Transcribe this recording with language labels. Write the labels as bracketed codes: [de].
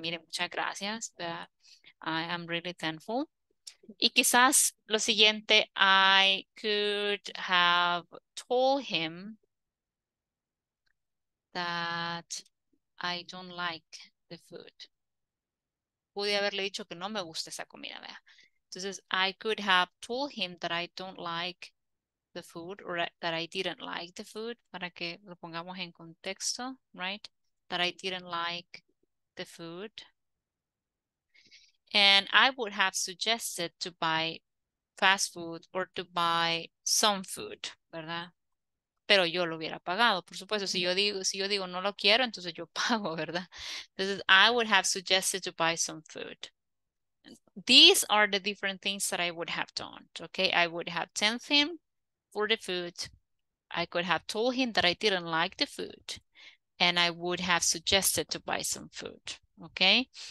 [es] Mire, muchas gracias, ¿verdad? [en] I am really thankful. [es] Y quizás lo siguiente, [en] I could have told him that I don't like the food. [es] Pude haberle dicho que no me gusta esa comida, ¿verdad? Entonces, [en] I could have told him that I don't like the food or that I didn't like the food, [es] para que lo pongamos en contexto, [en] right? That I didn't like the food. And I would have suggested to buy fast food or to buy some food, [es] ¿verdad? Pero yo lo hubiera pagado, por supuesto. Si yo digo no lo quiero, entonces yo pago, ¿verdad? Entonces, [en] I would have suggested to buy some food. These are the different things that I would have done, okay? I would have thanked him for the food. I could have told him that I didn't like the food. And I would have suggested to buy some food, okay?